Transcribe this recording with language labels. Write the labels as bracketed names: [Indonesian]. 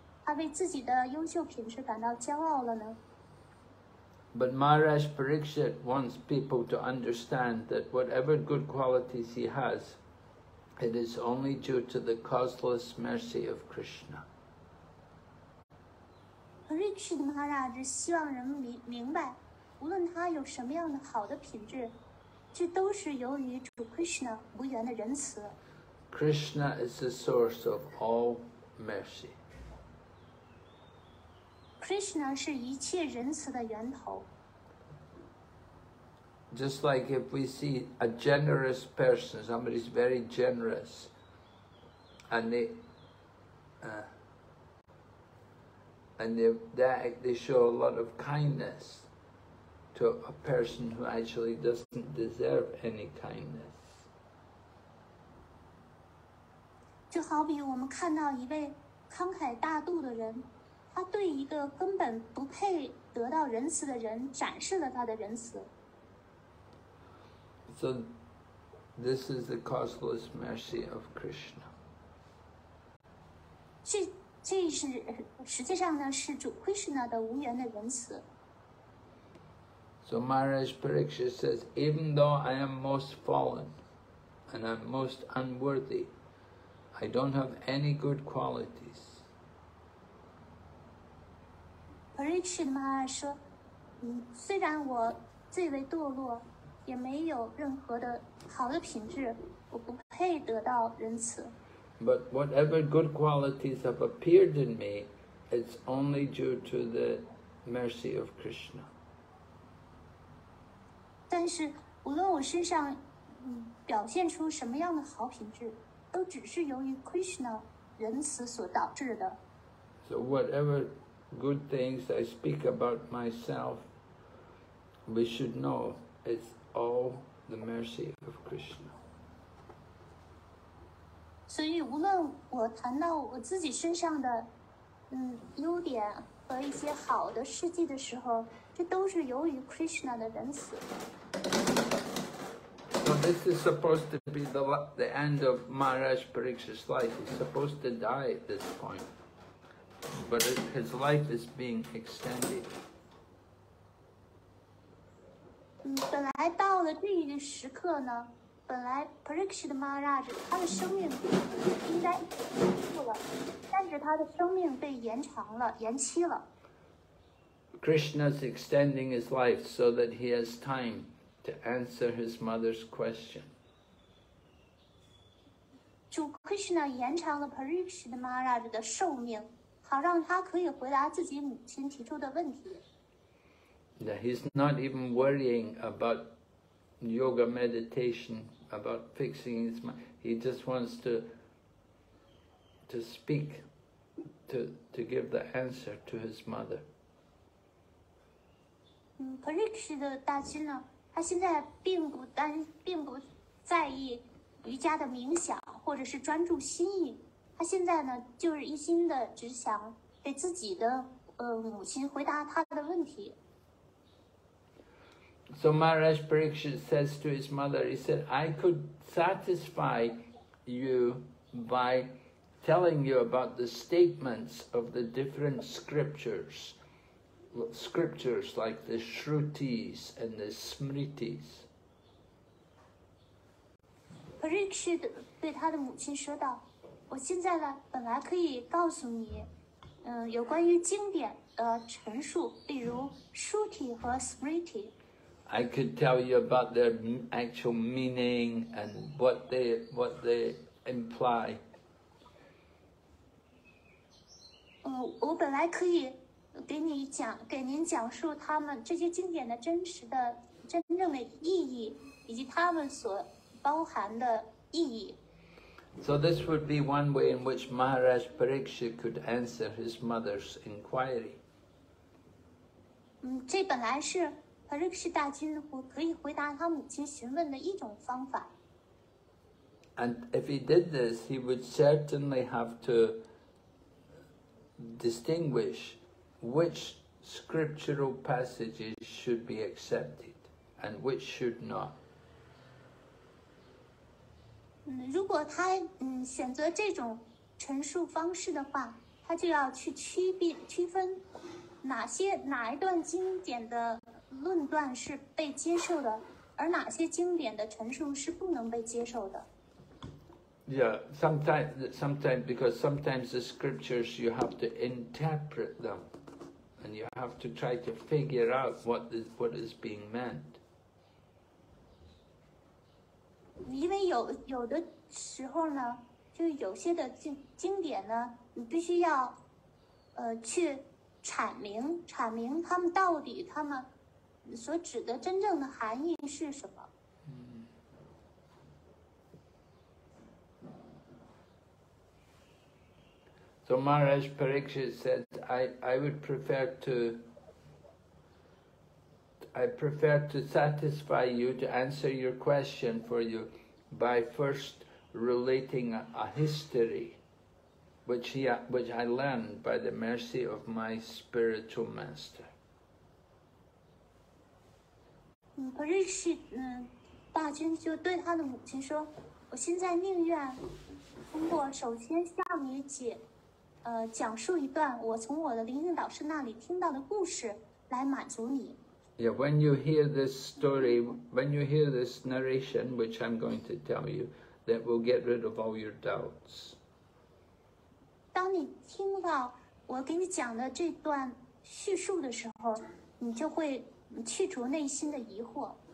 [Chinese] 他为自己的优秀品质感到骄傲了呢？ [English] But Maharaj Parikshit wants people to understand that whatever good qualities he has, it is only due to the causeless mercy of Krishna. [Chinese] Parikshit Maharaj 希望人们明白，无论他有什么样的好的品质，这都是由于主 Krishna 无缘的仁慈。 [English] Krishna is the source of all mercy. [Chinese] Krishna 是一切仁慈的源头。 [English] Just like if we see a generous person, somebody is very generous, and they show a lot of kindness to a person who actually doesn't deserve any kindness. [Chinese] 就好比我们看到一位慷慨大度的人。他对一个根本不配得到仁慈的人展示了他的仁慈。 [English] So, this is the causeless mercy of Krishna. [Chinese] 这是实际上呢是主 Krishna 的无缘的仁慈。 [English] So Maharaj Pariksha says, even though I am most fallen and I'm most unworthy, I don't have any good qualities. [Chinese] Parikshit Maharaj 说，虽然我最为堕落，也没有任何的好的品质，我不配得到仁慈。 [English] But whatever good qualities have appeared in me, it's only due to the mercy of Krishna. [Chinese] 但是，无论我身上表现出什么样的好品质，都只是由于 Krishna 仁慈所导致的。 [English] So whatever. Good things I speak about myself, we should know it's all the mercy of Krishna. [Chinese] 所以无论我谈到我自己身上的优点和一些好的事迹的时候，这都是由于 Krishna 的仁慈。 [English] So this is supposed to be the end of Maharaj Pariksha's life. He's supposed to die at this point. But his life is being extended. [Chinese] 本来到了这一个时刻呢，本来 Parikshit Maharaj 他的生命应该结束了，但是他的生命被延长了，延期了。 [English] Krishna is extending his life so that he has time to answer his mother's question. [Chinese] 主 Krishna 延长了 Parikshit Maharaj 的寿命。好让他可以回答自己母亲提出的问题。 [English] Yeah, he's not even worrying about yoga meditation, about fixing his mind. He just wants to speak, to give the answer to his mother. [Chinese] Parikshit 的大心呢，他现在并不在意瑜伽的冥想，或者是专注心意。他现在呢，就是一心的只想给自己的母亲回答他的问题。 [English] So Maharaj Pariksit says to his mother, he said, I could satisfy you by telling you about the statements of the different scriptures scriptures like the Shrutis and the Smritis. [Chinese] Parikshit 对他的母亲说道，我现在呢本来可以告诉你有关于经典的陈述，例如 Shruti 和 Smriti。 [English] I could tell you about their actual meaning and what they imply. [Chinese] 我本来可以给您讲述他们这些经典的真正的意义，以及他们所包含的意义。 [English] So this would be one way in which Maharaj Parikshit could answer his mother's inquiry. [Chinese] 这本来是Parikshit 大君可以回答他母亲询问的一种方法。 [English] And if he did this, he would certainly have to distinguish which scriptural passages should be accepted and which should not. [Chinese] 如果他选择这种陈述方式的话，他就要去区分哪一段经典的论断是被接受的，而哪些经典的陈述是不能被接受的。 [English] Yeah, sometimes, because sometimes the scriptures, you have to interpret them, and you have to try to figure out what is being meant. [Chinese] 因为有的时候呢，就有些的经典呢，你必须要去阐明他们到底他们所指的真正的含义是什么。 [English] So Maharaj Parikshit said, I would prefer to, I prefer to satisfy you, to answer your question for you, by first relating a history, which I learned by the mercy of my spiritual master. [Chinese] Parikshit 大君就对他的母亲说，我现在宁愿通过首先向你讲述一段我从我的灵性导师那里听到的故事来满足你。 [English] Yeah, when you hear this story, when you hear this narration, which I'm going to tell you, that will get rid of all your doubts. [Chinese] 当你听到我给你讲的这段叙述的时候，你就会去除内心的疑惑。